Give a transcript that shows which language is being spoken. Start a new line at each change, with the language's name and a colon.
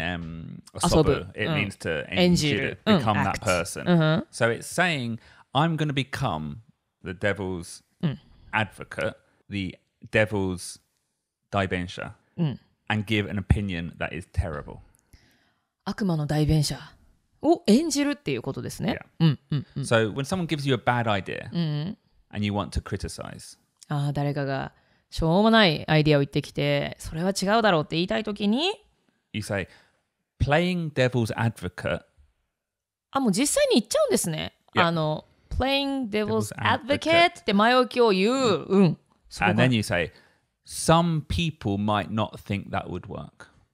Japanese: 遊ぶ。
English: It means to 演じる。Become that person. So it's saying, I'm going to become the devil's advocate, the devil's 代弁者, and give an opinion that is terrible.
Japanese: 悪魔の代弁者を演じるっていうことですね。
English: So when someone gives you a bad idea, and you want to criticize,
Japanese: ああ誰かがしょうもないアイディアを言ってきて、それは違うだろうって言いたいときに、
English: You say, playing devil's advocate.
Japanese: あ、もう実際に言っちゃうんですね。
English: Yeah.
Japanese: あの、playing devil's advocate って前置きを言う。
English: And then you say, some people might not think that would work.